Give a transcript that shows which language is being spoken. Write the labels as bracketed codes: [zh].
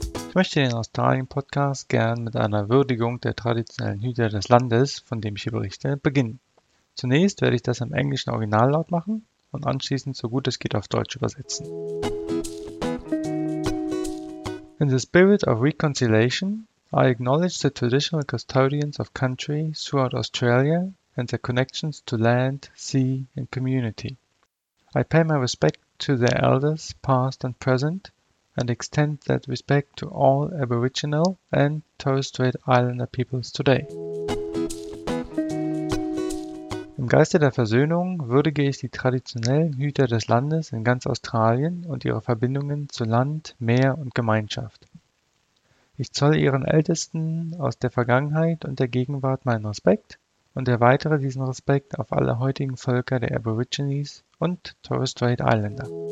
[de] Ich möchte den Australien Podcast gern mit einer Würdigung der traditionellen Hüter des Landes, von dem ich hier berichte, beginnen. Zunächst werde ich das im englischen Originallaut machen und anschließend so gut es geht auf Deutsch übersetzen. [en] In the spirit of reconciliation, I acknowledge the traditional custodians of country throughout Australia and their connections to land, sea and community. I pay my respect to their elders, past and present, and extend that respect to all Aboriginal and Torres Strait Islander peoples today. [de] Im Geiste der Versöhnung würdige ich die traditionellen Hüter des Landes in ganz Australien und ihre Verbindungen zu Land, Meer und Gemeinschaft. Ich zolle ihren Ältesten aus der Vergangenheit und der Gegenwart meinen Respekt und erweitere diesen Respekt auf alle heutigen Völker der Aborigines und Torres Strait Islander.